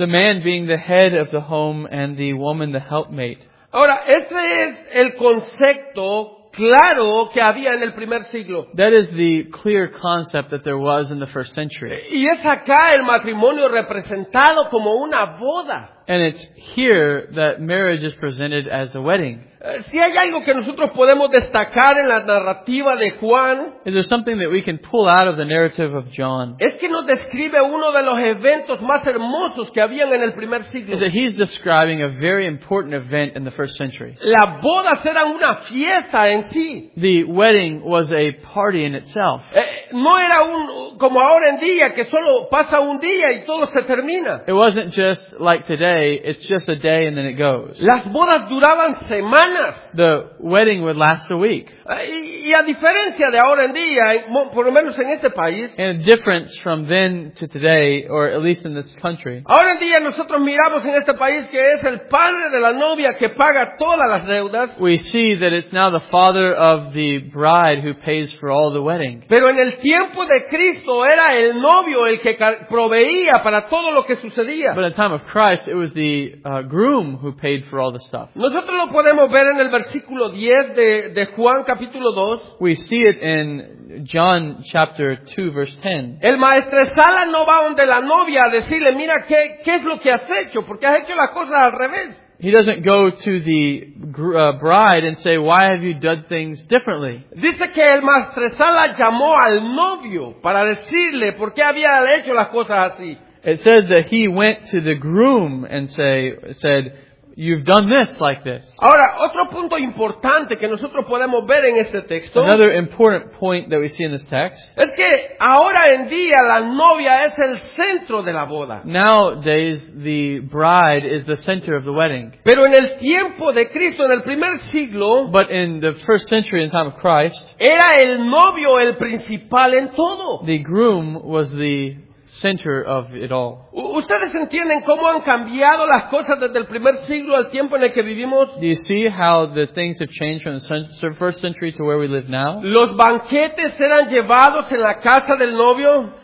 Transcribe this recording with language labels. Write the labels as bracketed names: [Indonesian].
[English] The man being the head of the home and the woman the helpmate. [Spanish] Ahora, ese es el concepto claro que había en el primer siglo. [English] That is the clear concept that there was in the first century. [Spanish] Y es acá el matrimonio representado como una boda. [English] And it's here that marriage is presented as a wedding. [Spanish] Si hay algo que nosotros podemos destacar en la narrativa de Juan, [English] is there something that we can pull out of the narrative of John? [Spanish] Es que nos describe uno de los eventos más hermosos que habían en el primer siglo. [English] Is that he's describing a very important event in the first century. [Spanish] La boda era una fiesta en sí. [English] The wedding was a party in itself. [Spanish] No era un como ahora en día que solo pasa un día y todo se termina. [English] It wasn't just like today, it's just a day and then it goes. [Spanish] Las bodas duraban semanas. [English] The wedding would last a week. [Spanish] Y a diferencia de ahora en día, por lo menos en este país, [English] and a difference from then to today, or at least in this country. [Spanish] Ahora en día nosotros miramos en este país que es el padre de la novia que paga todas las deudas. [English] We see that it's now the father of the bride who pays for all the wedding. [Spanish] Pero en el tiempo de Cristo era el novio el que proveía para todo lo que sucedía. [English] But in the time of Christ, it was the groom who paid for all the stuff. [Spanish] Nosotros lo podemos ver en el versículo 10 de Juan capítulo 2. [English] We see it in John chapter 2 verse 10. [Spanish] El maestresala no va donde la novia a decirle, mira, ¿qué es lo que has hecho? Porque has hecho las cosas al revés. [English] He doesn't go to the bride and say, why have you done things differently? [Spanish] Dice que el maestresala llamó al novio para decirle por qué había hecho las cosas así. [English] It says that he went to the groom and said, you've done this like this. [Spanish] Ahora, otro punto importante que nosotros podemos ver en este texto. [English] Another important point that we see in this text. [Spanish] Es que ahora en día la novia es el centro de la boda. [English] Nowadays, the bride is the center of the wedding. [Spanish] Pero en el tiempo de Cristo, en el primer siglo. [English] But in the first century, in the time of Christ. [Spanish] Era el novio el principal en todo. [English] The groom was the center of it all. [Spanish] ¿Ustedes entienden cómo han cambiado las cosas desde el primer siglo al tiempo en el que vivimos? [English] Do you see how the things have changed from the first century to where we live now? [Spanish] Los banquetes eran llevados en la casa del novio.